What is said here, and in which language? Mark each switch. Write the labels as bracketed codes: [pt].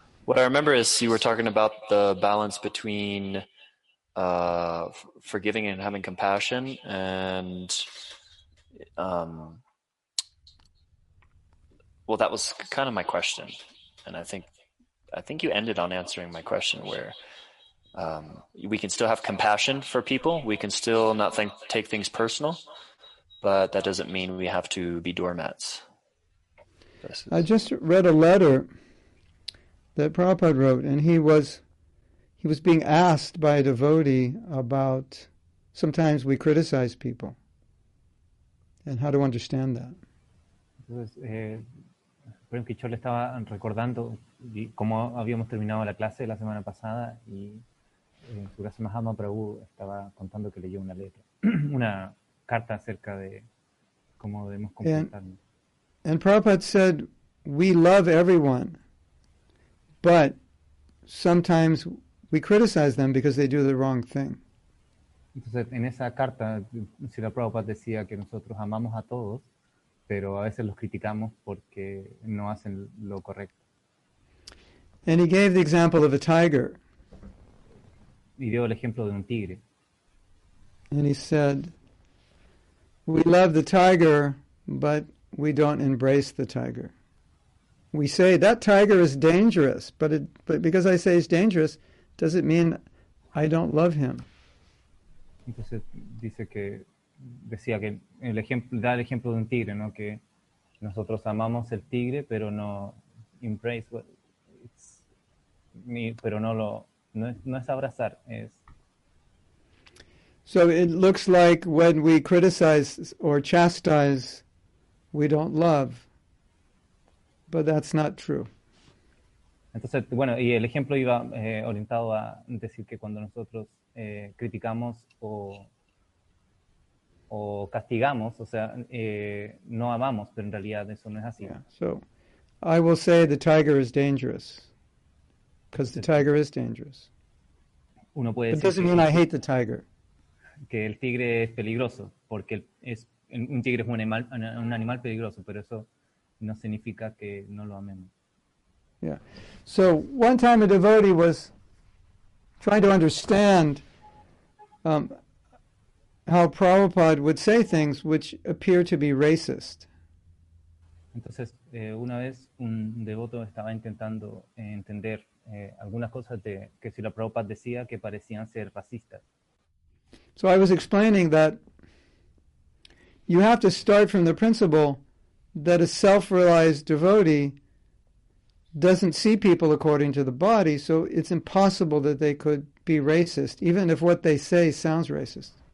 [en] What I remember is you were talking about the balance between forgiving and having compassion, and well, that was kind of my question, and I think you ended on answering my question where we can still have compassion for people, we can still not think take things personal, but that doesn't mean we have to be doormats. I just read a letter that Prabhupada wrote, and he was being asked by a devotee about sometimes we criticize people and how to understand that. [es] Entonces, Prem Kichol le estaba recordando cómo habíamos terminado la clase la semana pasada y en su casa Mahatma Prabhu estaba contando que leyó una letra, una carta acerca de cómo debemos [en] And [es] comportarnos. [en] Prabhupada said, we love everyone, but sometimes we criticize them because they do the wrong thing. [es] Entonces, en esa carta, Srila Prabhupada decía que nosotros amamos a todos, pero a veces los criticamos porque no hacen lo correcto. [en] And he gave the example of a tiger. [es] Y dio el ejemplo de un tigre. [en] And he said, we love the tiger, but we don't embrace the tiger. We say that tiger is dangerous, but because I say he's dangerous, does it mean I don't love him? [es] Entonces dice que decía que el ejemplo da el ejemplo de un tigre, ¿no? Que nosotros amamos el tigre, pero no [en] embrace, well, it's, [es] ni, pero no lo no es abrazar, es. [en] So it looks like when we criticize or chastise, we don't love, but that's not true. [es] Entonces, bueno, y el ejemplo iba orientado a decir que cuando nosotros criticamos o castigamos, o sea, no amamos, pero en realidad eso no es así. [en] Yeah, so I will say the tiger is dangerous because the tiger is dangerous. [es] Uno puede [en] But [es] decir [en] doesn't mean I hate the tiger. [es] que el tigre es peligroso, porque es un tigre es un animal peligroso, pero eso no significa que no lo amemos. [en] Yeah. So one time a devotee was trying to understand how Prabhupada would say things which appear to be racist. [es] Entonces, una vez un devoto estaba intentando entender algunas cosas de que Srila Prabhupada decía que parecían ser racistas. [en] So I was explaining that you have to start from the principle that a self-realized devotee doesn't see people according to the body, so it's impossible that they could be racist, even if what they say sounds racist.